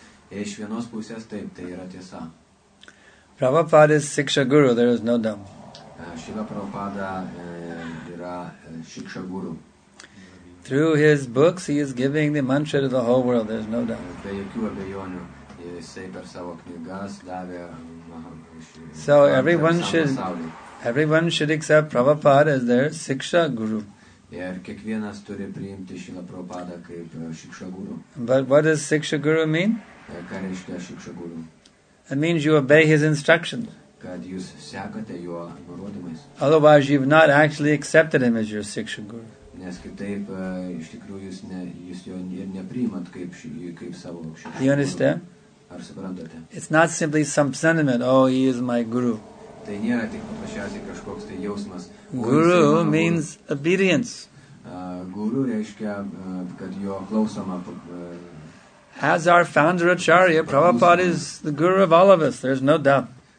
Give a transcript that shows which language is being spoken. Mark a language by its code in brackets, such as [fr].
[lt] Iš vienos pusės taip, tai yra tiesa. [en] Prabhupada is Siksha Guru, there is no doubt. [lt] Shiva Prabhupada yra Siksha Guru. [en] Through his books he is giving the mantra to the whole world, there is no doubt. [lt] Be jokių abejonių, jisai per savo knygas davė. [en] So everyone should accept Prabhupada as their Siksha Guru. [lt] Ir kiekvienas turi priimti Shiva Prabhupada kaip Siksha Guru. [en] But what does Siksha Guru mean? [lt] Ką reiškia Siksha Guru? [en] It means you obey his instructions. [lt] Kad jūs sekate jo nurodymais. [en] Otherwise you've not actually accepted him as your Siksha Guru. [lt] Nes kitaip, iš tikrųjų, jūs jo ir nepriimat kaip savo Siksha [en] Guru. You understand? [lt] Ar suprantate? [en] It's not simply some sentiment, oh, he is my Guru. [lt] Tai nėra tik paprasčiausiai kažkoks tai jausmas. [en] Guru means obedience. [lt] Guru reiškia, kad jo klausoma. [en] As our founder Acharya, Prabhupada is the guru of all of us, there's no doubt.